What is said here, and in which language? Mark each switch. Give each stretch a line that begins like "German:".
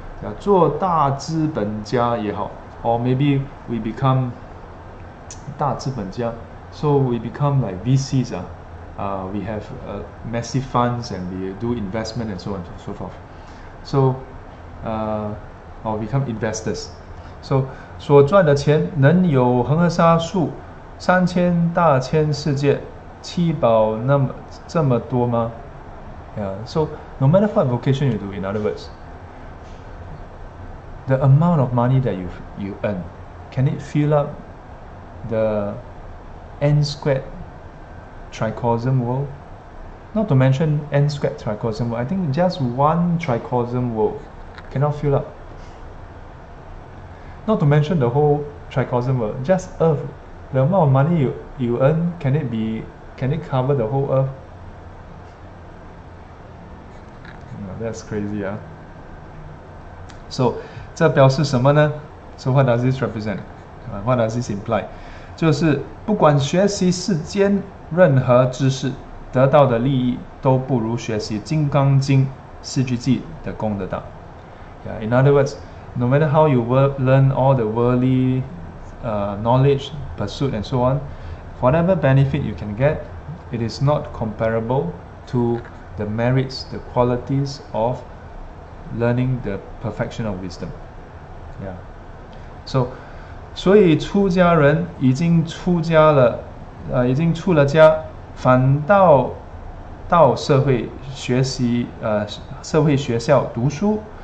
English: Yeah,
Chinese: 做大资本家也好
English: or maybe we become 大资本家 so we become like VCs, we have massive funds and we do investment and so on and so forth. So,or become investors.
Chinese: So, 所赚的钱能有恒河沙数三千大千世界七宝那么这么多吗？
English: Yeah. So, no matter what vocation you do, in other words, the amount of money that you earn, can it fill up the n squared tricosm world? Not to mention n squared tricosm world. I think just one tricosm world. Cannot fill up. Not to mention the whole tricosm world, just Earth. The amount of money you earn, can it cover the whole Earth? No, that's crazy, yeah. So,
Chinese: 这表示什么呢?
English: So what does this represent? What does this imply?
Chinese: 就是不管学习世间任何知识，得到的利益都不如学习《金刚经》四句偈的功德大。
English: Yeah, in other words, no matter how you learn all the worldly knowledge, pursuit, and so on, whatever benefit you can get, it is not comparable to the merits, the qualities of learning the perfection of wisdom. Yeah.
Chinese: So, 所以出家人已经出家了，已经出了家，反倒到社会学习，社会学校读书。